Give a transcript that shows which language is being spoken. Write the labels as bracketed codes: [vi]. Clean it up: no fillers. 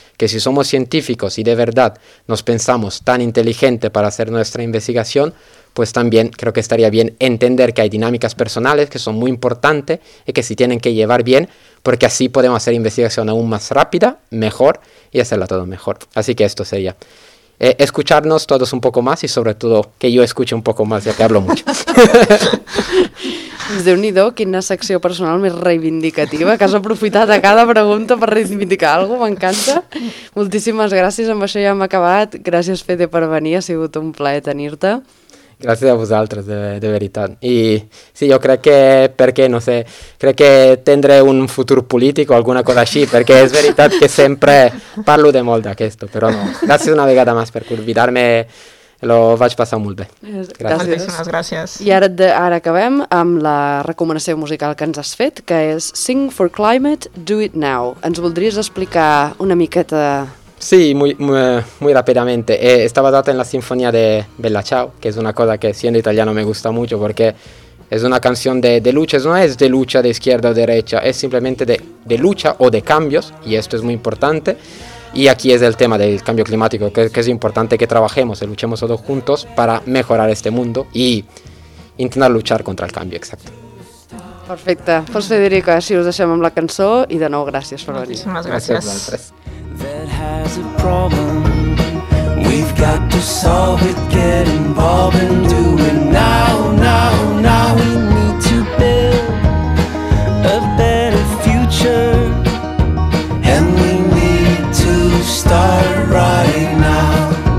[es] Que si somos científicos y de verdad nos pensamos tan inteligente para hacer nuestra investigación, pues también creo que estaría bien entender que hay dinámicas personales que son muy importantes y que se tienen que llevar bien, porque así podemos hacer investigación aún más rápida, mejor, y hacerla todo mejor. Así que esto sería escucharnos todos un poco más, y sobre todo que yo escuche un poco más, ya que hablo mucho. [ca] Déu-n'hi-do, quina secció personal més reivindicativa, que has aprofitat a cada pregunta per reivindicar alguna cosa, m'encanta. Moltíssimes gràcies, amb això ja hem acabat. Gràcies, Fede, per venir, ha sigut un plaer tenir-te. [es] Gracias a vosotros, de verdad. Y sí, yo creo que, porque no sé, creo que tendré un futuro político o alguna cosa así, porque es verdad que siempre [ca] parlo de molt d'aquesto, [es] pero no. Gracias [ca] una vegada [es] más por [ca] convidarme, lo vaig passar molt bé. Gràcies. I ara acabem amb la recomanació musical que ens has fet, que és Sing for Climate, Do It Now. Ens voldries explicar una miqueta... [es] Sí, muy rápidamente. Está basada en la sinfonía de Bella Ciao, que es una cosa que siendo italiano me gusta mucho, porque es una canción de lucha. No es de lucha de izquierda o derecha, es simplemente de lucha o de cambios, y esto es muy importante. Y aquí es el tema del cambio climático, que es importante que trabajemos y luchemos todos juntos para mejorar este mundo y intentar luchar contra el cambio, exacto. [ca] Perfecte. Pues Federico, així us deixem amb la cançó, i de nou gràcies per venir. Moltíssimes gràcies. [en] That has a problem with got to solve it, get involved and do it now, now, now. We need to build a better future, and we need to start right now.